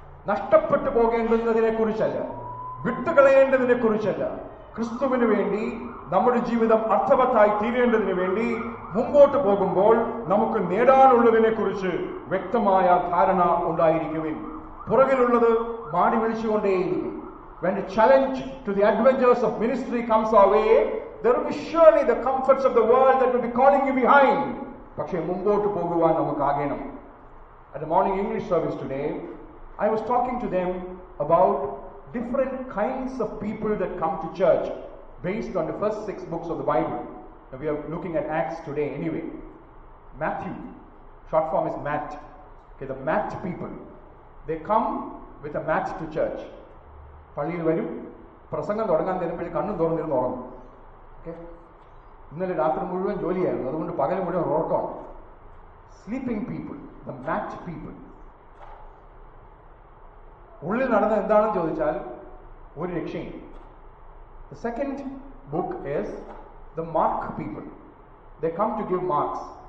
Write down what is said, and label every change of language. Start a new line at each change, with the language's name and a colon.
Malayalam: നഷ്ടപ്പെട്ടു പോകേണ്ടതിനെ കുറിച്ചല്ല, വിട്ടുകളയേണ്ടതിനെ കുറിച്ചല്ല, ക്രിസ്തുവിന് വേണ്ടി നമ്മുടെ ജീവിതം അർത്ഥവത്തായി തീരേണ്ടതിന് വേണ്ടി മുമ്പോട്ട് പോകുമ്പോൾ നമുക്ക് നേടാനുള്ളതിനെ കുറിച്ച് വ്യക്തമായ ധാരണ ഉണ്ടായിരിക്കുകയും പുറകിലുള്ളത് മാടി വിളിച്ചുകൊണ്ടേയിരിക്കും.
English: When the challenge to the adventures of ministry comes our way, there will be surely the comforts of the world that will be calling you behind.
Malayalam: പക്ഷേ മുമ്പോട്ട് പോകുവാൻ നമുക്കാകണം.
English: At the morning English service today, I was talking to them about different kinds of people that come to church based on the first six books of the Bible. Now we are looking at Acts today anyway. Matthew, short form is Matt. Okay, the Matt people, they come with a mat to church.
Malayalam: പള്ളിയിൽ വരും, പ്രസംഗം തുടങ്ങാൻ നേരപ്പോഴും കണ്ണും തുറന്നിരുന്ന് ഉറങ്ങും. Okay, ഇന്നലെ രാത്രി മുഴുവൻ ജോലിയായിരുന്നു, അതുകൊണ്ട് പകൽ മുഴുവൻ ഉറക്കം.
English: Sleeping people, the mat people.
Malayalam: ഉള്ളിൽ നടന്ന എന്താണെന്ന് ചോദിച്ചാൽ ഒരു രക്ഷയും.
English: The second book is the mark people, the come to give marks.